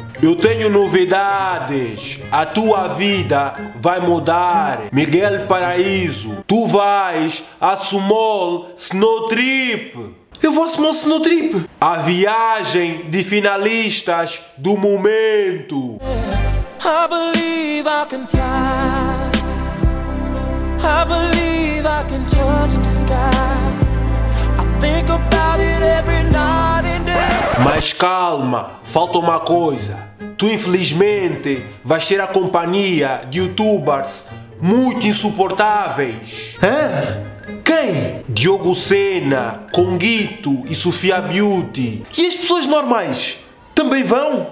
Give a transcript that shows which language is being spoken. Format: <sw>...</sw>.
<pt>Eu tenho novidades. A tua vida vai mudar, Miguel Paraíso. Tu vais a Small Snow Trip. Eu vou a Small Snow Trip. A viagem de finalistas do momento.</pt> <en>I believe I can fly. I believe I can touch the sky. I think about it every night and day.</en> <pt>Mas calma, falta uma coisa. Tu, infelizmente, vais ter a companhia de youtubers muito insuportáveis. Hã? Quem? Diogo Sena, Conguito e Sofia Beauty. E as pessoas normais? Também vão?</pt>